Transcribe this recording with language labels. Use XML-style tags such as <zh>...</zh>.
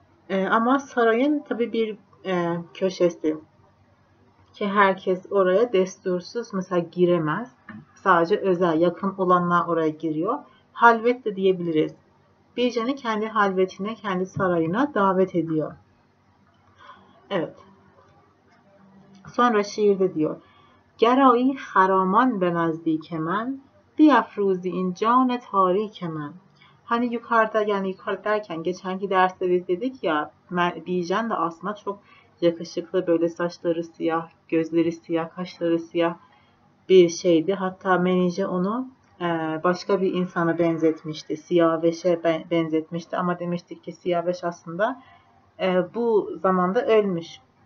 <tr>Ama sarayın tabi bir köşesi ki herkes oraya destursuz mesela giremez. Sadece özel, yakın olanlar oraya giriyor. Halvet de diyebiliriz. Bijen'i kendi halvetine, kendi sarayına davet ediyor. Evet. Sonra şiirde diyor.</tr> <fa>گرایی خرامان به نزدیک من، بیافروزی این جان تاریک من.</fa> <tr>Hani yukarıda yani yukarıda derken geçen ki derste dedik ya Bijan da aslında çok yakışıklı böyle saçları siyah, gözleri siyah, kaşları siyah bir şeydi. Hatta menajer onu başka bir insana benzetmişti. Siyah beşe benzetmişti ama demiştik ki siyah beş aslında bu zamanda ölmüş.</tr>